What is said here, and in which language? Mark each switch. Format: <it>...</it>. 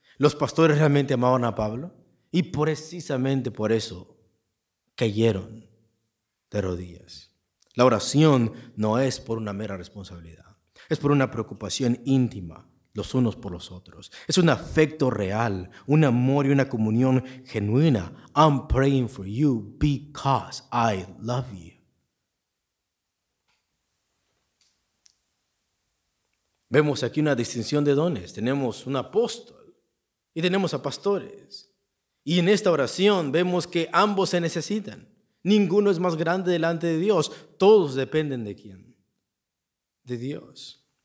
<es>Los pastores realmente amaban a Pablo y precisamente por eso cayeron de rodillas. La oración no es por una mera responsabilidad, es por una preocupación íntima los unos por los otros. Es un afecto real, un amor y una comunión genuina.</es> <en>I'm praying for you because I love you.</en> <es>Vemos aquí una distinción de dones. Tenemos un apóstol y tenemos a pastores. Y en esta oración vemos que ambos se necesitan. Ninguno es más grande delante de Dios. Todos dependen de quién. De Dios.</es>